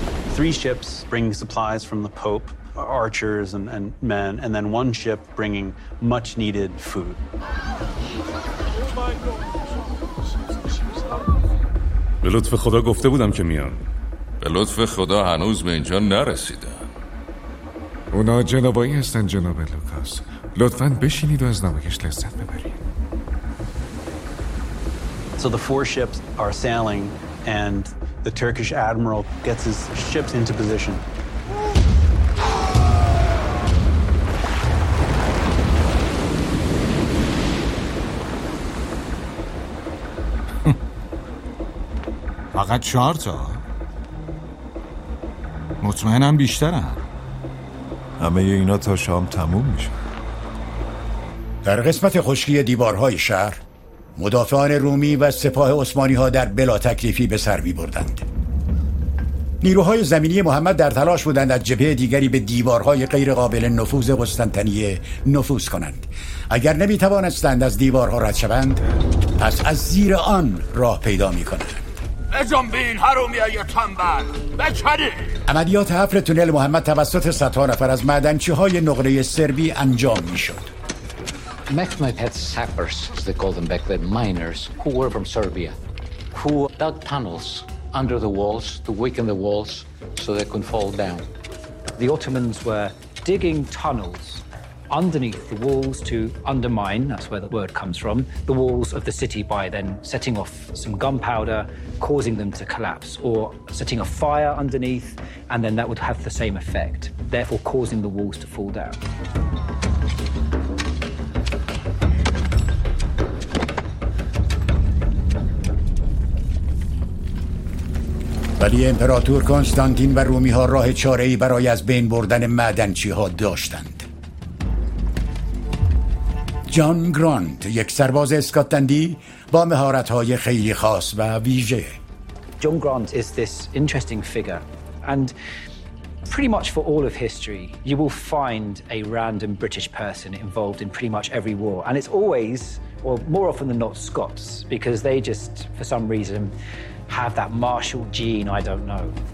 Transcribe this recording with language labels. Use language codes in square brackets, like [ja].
[en] Three ships bring supplies from the Pope, archers and men, and then one ship bringing much needed food. [fa] به لطف خدا گفته بودم که میان. به لطف خدا هنوز به اینجا نرسیدن. اونا جنابایی هستن جناب لوکاس، لطفاً بشینید و از نمایش لذت ببرید. [en] So the four ships are sailing and the Turkish admiral gets his ships into position. [fa] فقط 4 تا؟ مطمئنم بیشترن. همه اینا تا شام تموم میشه. در قسمت خشکی دیوارهای شهر مدافعان رومی و سپاه عثمانی ها در بلا تکلیفی به سر می بردند. نیروهای زمینی محمد در تلاش بودند از جبهه دیگری به دیوارهای غیر قابل نفوذ قسطنطنیه نفوذ کنند. اگر نمی توانستند از دیوارها رد شوند، پس از زیر آن راه پیدا می کنند. بجنبین حرومی های تنبل بچنه. عملیات حفر تونل محمد توسط 100 نفر از معدنچی های نقره سربی انجام می شد. [en] Macmite had sappers, as they called them back then, miners, who were from Serbia, who dug tunnels under the walls to weaken the walls so they could fall down. The Ottomans were digging tunnels underneath the walls to undermine, that's where the word comes from, the walls of the city by then setting off some gunpowder, causing them to collapse, or setting a fire underneath, and then that would have the same effect, therefore causing the walls to fall down. [fa] ولی امپراتور کنستانتین و رومی ها راه چاره ای برای از بین بردن معدنچی ها داشتند. جان گرانت، یک سرباز اسکاتلندی با مهارت های خیلی خاص و ویژه. [en] John Grant is this interesting figure and pretty much for all of history you will find a random British person involved in pretty much every war and it's always or more often than not Scots because they just for some reason have that martial gene, I don't know.